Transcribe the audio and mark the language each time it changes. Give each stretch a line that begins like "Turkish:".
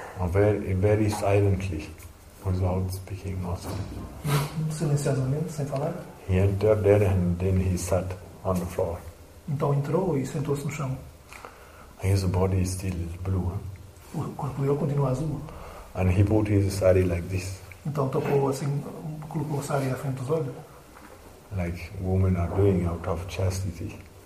English: Very silently, without speaking nothing.
Portuguese: Silenciosamente, sem falar.
English: He entered there and then he sat on the floor.
Portuguese: Então entrou e sentou-se no chão.
English: His body is still blue.
Portuguese: O corpo dele continua azul.
English: And he put his sari like this.
Portuguese: Então tocou assim, colocou o sari à frente dos olhos.
English: Like women are doing out of chastity.